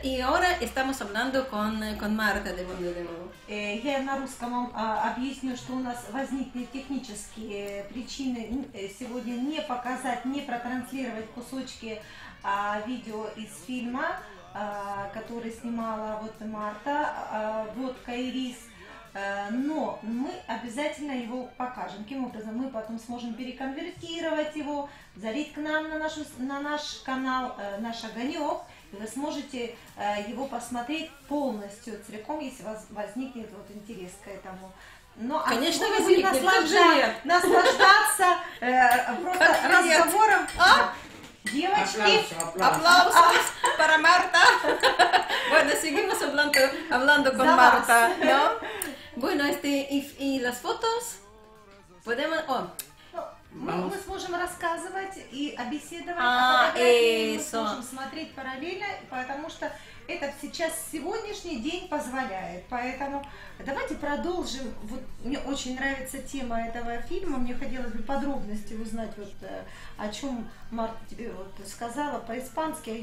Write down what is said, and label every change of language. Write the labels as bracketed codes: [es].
[es] Y ahora estamos hablando con Marta de nuevo. [ru] Я на русском вам объясню, что у нас возникли технические причины сегодня не показать, не протранслировать кусочки видео из фильма, который снимала вот Марта, «Водка и рис». Но мы обязательно его покажем. Каким образом мы потом сможем переконвертировать его, залить к нам на наш канал, наш огонек. Вы сможете его посмотреть полностью, целиком, если у вас возникнет вот интерес к этому. Но, конечно, возникнет, наслаждаться просто разговором. А? Девочки, [es] аплаус para Marta. Bueno, seguimos hablando con Marta, ¿no? Bueno, y las fotos, podemos... Oh. [ru] Мы сможем рассказывать и беседовать, мы сможем смотреть параллельно, потому что это сейчас сегодняшний день позволяет. Поэтому давайте продолжим. Вот мне очень нравится тема этого фильма, мне хотелось бы подробности узнать, вот о чем Марта тебе вот сказала по-испански.